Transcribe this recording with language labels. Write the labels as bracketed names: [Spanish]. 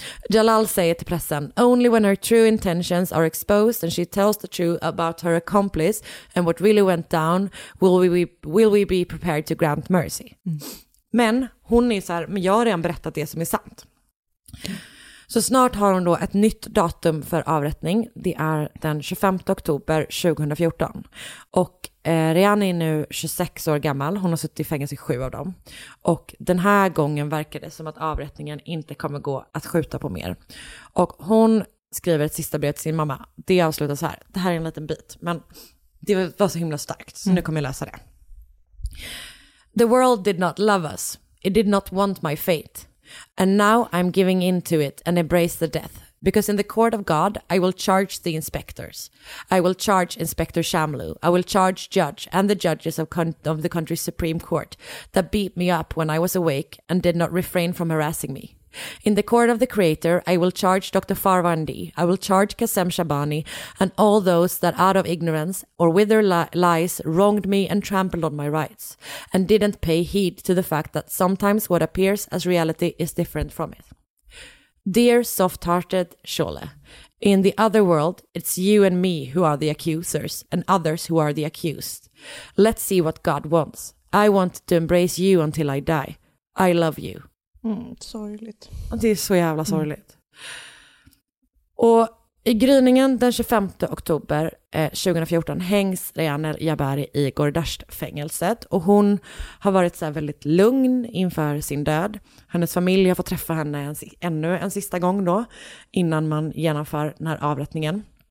[Swedish] Jalal säger till pressen, [English] only when her true intentions are exposed and she tells the truth about her accomplice and what really went down will we be prepared to grant mercy. Mm. [Swedish] Men hon är så här, men jag har redan berättat det som är sant. Så snart har hon då ett nytt datum för avrättning. Det är den 25 oktober 2014. Och Rehane är nu 26 år gammal. Hon har suttit i fängelse i 7 av dem. Och den här gången verkar det som att avrättningen inte kommer gå att skjuta på mer. Och hon skriver ett sista brev till sin mamma. Det avslutas här. Det här är en liten bit, men det var så himla starkt. Så nu kommer jag läsa det. [English] The world did not love us. It did not want my fate. And now I'm giving in to it and embrace the death. Because in the court of God, I will charge the inspectors. I will charge Inspector Shamlu. I will charge judge and the judges of the country's Supreme Court that beat me up when I was awake and did not refrain from harassing me. In the court of the Creator, I will charge Dr. Farwandi. I will charge Qasem Shabani and all those that out of ignorance or with their lies wronged me and trampled on my rights and didn't pay heed to the fact that sometimes what appears as reality is different from it. Dear soft-hearted Shole, in the other world, it's you and me who are the accusers and others who are the accused. Let's see what God wants. I want to embrace you until I die. I love you. [Swedish] Mm, sorgligt. Det är så jävla sorgligt. Mm. Och i gryningen den 25 oktober 2014 hängs Rehane Jabari i Gordasht-fängelset. Och hon har varit så här väldigt lugn inför sin död. Hennes familj har fått träffa henne ännu en sista gång då, innan man genomför den här avrättningen.